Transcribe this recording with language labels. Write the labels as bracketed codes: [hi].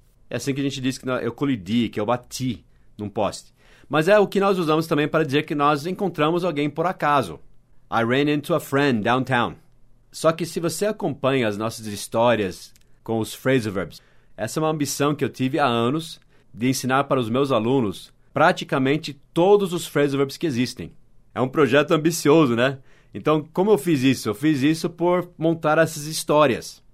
[pt] É assim que a gente diz que eu colidi, que eu bati num poste. Mas é o que nós usamos também para dizer que nós encontramos alguém por acaso. [en] I ran into a friend downtown. [pt] Só que se você acompanha as nossas histórias com os phrasal verbs, essa é uma ambição que eu tive há anos de ensinar para os meus alunos praticamente todos os phrasal verbs que existem. É um projeto ambicioso, né? Então, como eu fiz isso? Eu fiz isso por montar essas histórias.